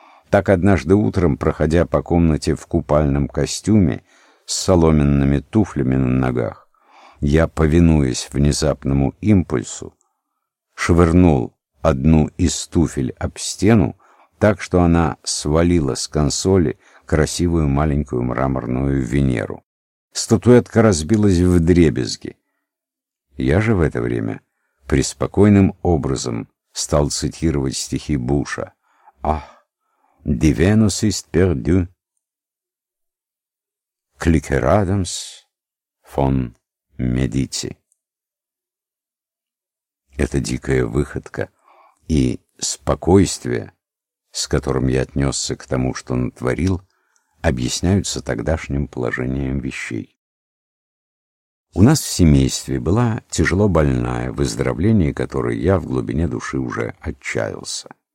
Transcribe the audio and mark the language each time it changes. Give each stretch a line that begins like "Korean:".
Russian: Так однажды утром, проходя по комнате в купальном костюме с соломенными туфлями на ногах, я, повинуясь внезапному импульсу, швырнул одну из туфель об стену так, что она свалила с консоли красивую маленькую мраморную Венеру. Статуэтка разбилась вдребезги. Я же в это время преспокойным образом стал цитировать стихи Буша.
German: «Ах, die Venus ist perdue, Clickeradams von Medici».
Russian: Эта дикая выходка и спокойствие, с которым я отнесся к тому, что натворил, объясняются тогдашним положением вещей. У нас в семействе была тяжело больная, выздоровление которой я в глубине души уже отчаялся.